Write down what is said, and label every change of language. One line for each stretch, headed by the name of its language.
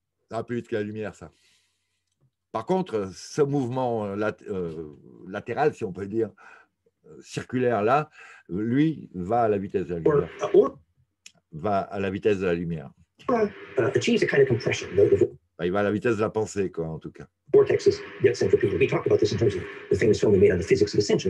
French: Ça va plus vite que la lumière, ça. Par contre, ce mouvement latéral, si on peut dire, circulaire là, lui va à la vitesse de la lumière. Va à la vitesse de la lumière.
English: Achieves a kind of compression.
French: Il va à la vitesse de la pensée, quoi, en tout cas.
English: Vortexes, yet centripetal. We talked about this in terms of the famous film we made on the physics of ascension.